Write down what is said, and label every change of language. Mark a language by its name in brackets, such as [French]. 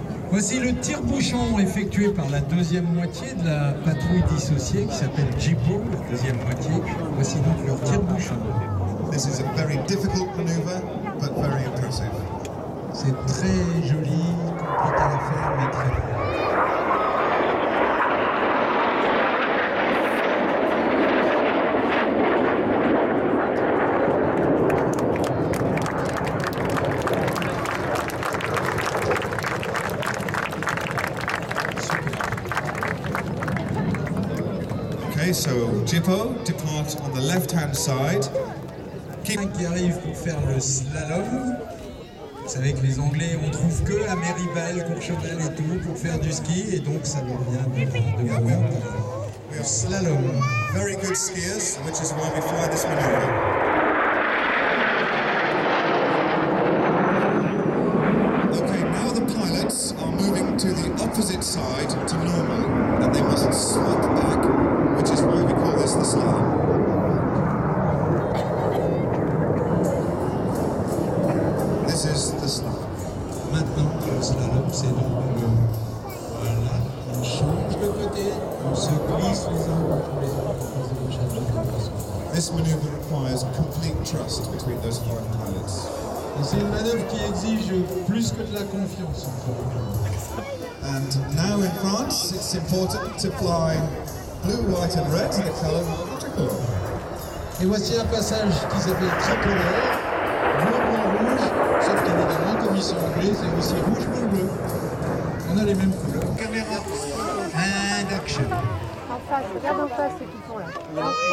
[French] Voici le tire-bouchon effectué par la deuxième moitié de la patrouille dissociée qui s'appelle Jippo, la deuxième moitié. Voici donc leur tire-bouchon. [English] This is a very difficult maneuver, but very impressive. [French] C'est très joli, compliqué à faire, mais très bien. [English] So, Jippo, depart on the left-hand side. Keep... [French] qui arrive pour faire le slalom. Vous savez que les Anglais, on trouve que à Méribel, Courchevel et tout, pour faire du ski, et donc ça nous vient de la merde. [English] We have slalom. Very good skiers, which is why we fly this maneuver. Okay, now the pilots are moving to the opposite side to normal, and they must slot back. Which is why we call this the slalom. This is the slalom. [French] Maintenant, le slalom, c'est donc le... Voilà, on change de côté, on se glisse les uns contre les autres, on change de côté. [English] This maneuver requires complete trust between those foreign pilots. [French] C'est une manœuvre qui exige plus que de la confiance en fait. [English] And now in France, it's important to fly blue, white and red, the color of tricolore. [French] Et voici un passage qui s'appelle tricolore, bleu, blanc, rouge, sauf qu'évidemment, comme ils sont anglais, c'est aussi rouge, bleu, bleu. On a les mêmes couleurs. Caméra, [English] and action. [French] En face, regarde en face ceux qui sont là.